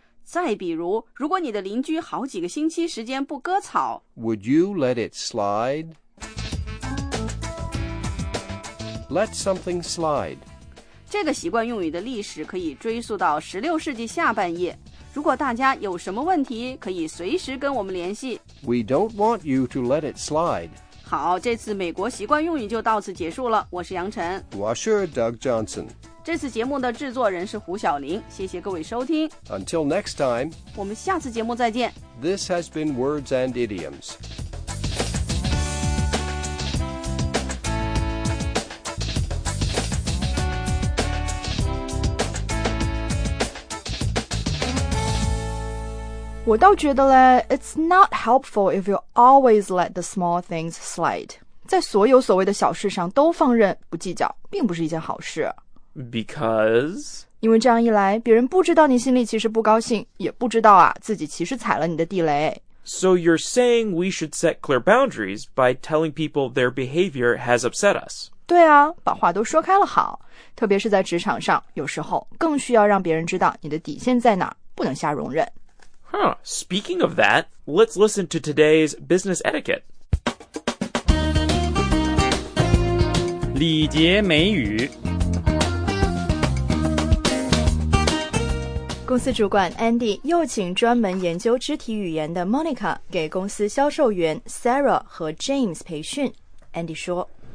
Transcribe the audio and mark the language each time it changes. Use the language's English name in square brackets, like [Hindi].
[Chinese] 再比如，如果你的邻居好几个星期时间不割草 [English] ，Would you let it slide? Let something slide. [Chinese] 这个习惯用语的历史可以追溯到16世纪下半叶。如果大家有什么问题，可以随时跟我们联系。 [English] We don't want you to let it slide. [Chinese] 好，这次美国习惯用语就到此结束了。我是杨晨。我是 Doug Johnson。这次节目的制作人是胡晓玲，谢谢各位收听。 [English] Until next time, [Chinese] 我们下次节目再见。 [English] This has been Words and Idioms. It's not helpful if you always let the small things slide. [Chinese] 在所有所谓的小事上都放任不计较，并不是一件好事。 [English] Because? [Chinese] 因为这样一来，别人不知道你心里其实不高兴，也不知道啊，自己其实踩了你的地雷。 [English] So you're saying we should set clear boundaries by telling people their behavior has upset us. [Chinese] 对啊，把话都说开了好，特别是在职场上，有时候更需要让别人知道你的底线在哪，不能瞎容忍。 [English] Huh, speaking of that, let's listen to today's business etiquette. [Chinese] 礼节美语公司主管 Andy 又请专门研究肢体语言的 Monica 给公司销售员 Sarah 和 James 培训。Andy 说